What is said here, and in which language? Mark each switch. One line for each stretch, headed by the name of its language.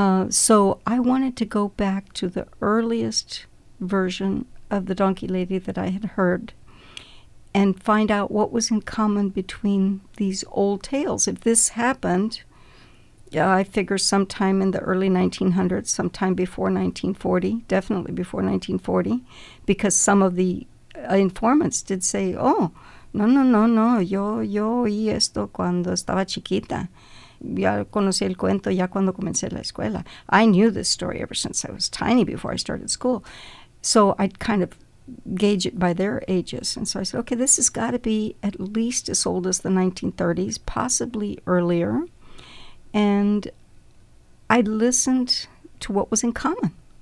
English: So I wanted to go back to the earliest version of the Donkey Lady that I had heard and find out what was in common between these old tales. If this happened, I figure sometime in the early 1900s, sometime before 1940, definitely before 1940, because some of the informants did say, No.
Spanish: Yo oí esto cuando estaba chiquita. Ya conocí el cuento ya cuando comencé la escuela.
English: I knew this story ever since I was tiny, before I started school. So I'd kind of gauge it by their ages. And so I said, okay, this has got to be at least as old as the 1930s, possibly earlier. And I listened to what was in common.